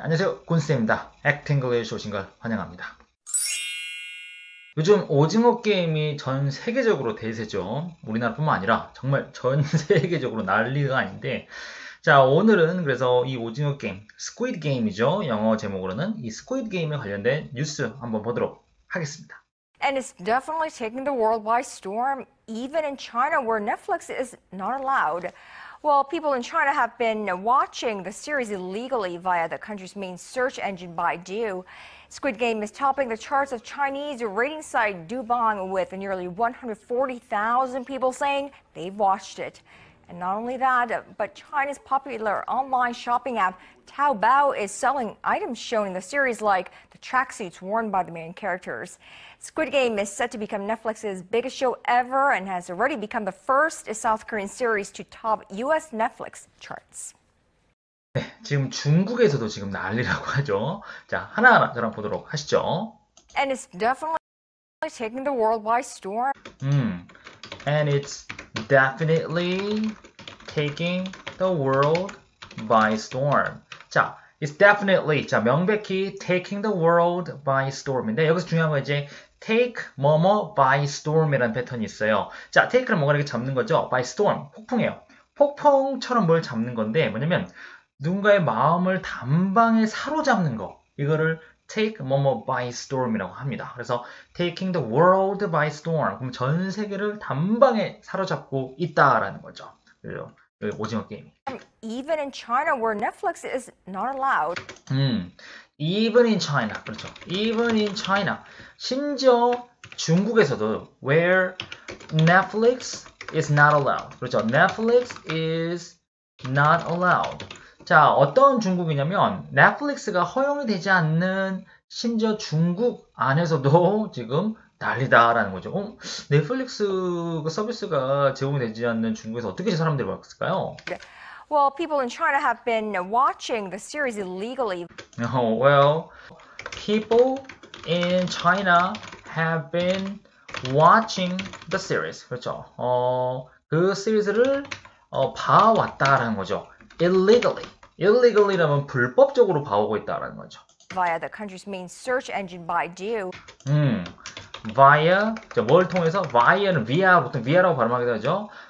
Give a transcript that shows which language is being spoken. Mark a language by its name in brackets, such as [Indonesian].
[Korean] 안녕하세요, 군쌤입니다. 액팅글리쉬 오신 걸 환영합니다. 요즘 오징어 게임이 전 세계적으로 대세죠. 우리나라뿐만 아니라 정말 전 세계적으로 난리가 아닌데, 자 오늘은 그래서 이 오징어 게임, 스퀴드 게임이죠. 영어 제목으로는 이 스퀴드 게임에 관련된 뉴스 한번 보도록 하겠습니다. [English] And it's definitely taking the world by storm, even in China, where Netflix is not allowed. Well, people in China have been watching the series illegally via the country's main search engine, Baidu. Squid Game is topping the charts of Chinese rating site Doubang, with nearly 140,000 people saying they've watched it. And not only that, but China's popular online shopping app Taobao is selling items shown in the series, like the tracksuits worn by the main characters. Squid Game is set to become Netflix's biggest show ever and has already become the first South Korean series to top US Netflix charts. [Korean] 지금 중국에서도 지금 난리라고 하죠. 자, 하나하나 저랑 보도록 하시죠. [English] And it's definitely taking the world by storm. And it's definitely taking the world by storm. 자, it's definitely. [Korean] 자, 명백히 [English] taking the world by storm [Korean] 인데, 여기서 중요한 건 이제 take 뭐뭐 by storm이라는 패턴이 있어요. 자, take를 뭔가 이렇게 잡는 거죠. by storm. 폭풍이에요. 폭풍처럼 뭘 잡는 건데, 뭐냐면, 누군가의 마음을 단방에 사로잡는 거, 이거를 take 뭐뭐 by storm이라고 합니다. 그래서 [English] taking the world by storm, [Korean] 그럼 전 세계를 단방에 사로잡고 있다라는 거죠. 그리고 여기 오징어 게임이. [English] Even in China, where Netflix is not allowed. Even in China, [Korean] 그렇죠. [English] Even in China, [Korean] 심지어 중국에서도 [English] where Netflix is not allowed, [Korean] 그렇죠. [English] Netflix is not allowed. [Korean] 자, 어떤 중국이냐면, 넷플릭스가 허용이 되지 않는, 심지어 중국 안에서도 지금 난리다라는 거죠. 넷플릭스 서비스가 제공이 되지 않는 중국에서 어떻게 저 사람들이 봤을까요? [English] Well, people in China have been watching the series illegally. Well, people in China have been watching the series. [Korean] 그렇죠. 그 시리즈를 봐왔다라는 거죠. [English] Illegally. [Korean] Illegally라면 불법적으로 봐오고 있다라는 거죠. [English] Via the country's main search engine, Baidu. [Korean] Via, 저뭘 통해서? Via는 via, 보통 via라고 발음하기도 하죠.